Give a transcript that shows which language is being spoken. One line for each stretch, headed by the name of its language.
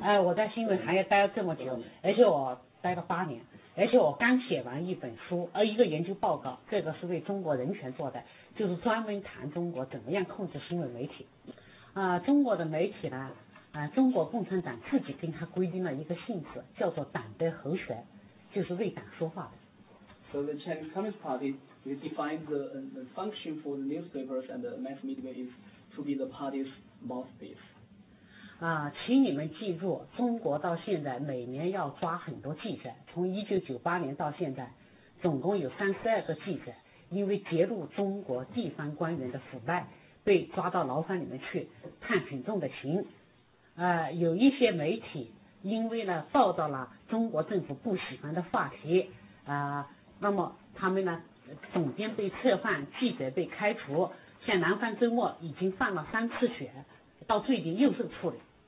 Chinese: 行业，我在新闻行业待了这么久，而且我待了8年，而且我刚写完一本书，一个研究报告，这个是为中国人权做的，就是专门谈中国怎么样控制新闻媒体。中国的媒体呢，中国共产党自己跟他规定了一个性质，叫做党的喉舌，就是为党说话的。
English: So the Chinese Communist Party, we define the function for the newspapers and the mass media is to be the party's mouthpiece.
Chinese: 请你们记住，中国到现在每年要抓很多记者，从1998年到现在，总共有32个记者，因为揭露中国地方官员的腐败，被抓到牢房里面去判很重的刑。有一些媒体因为呢报道了中国政府不喜欢的话题，那么他们呢，总编被撤换，记者被开除，像南方周末已经犯了3次血，到最近又受处理。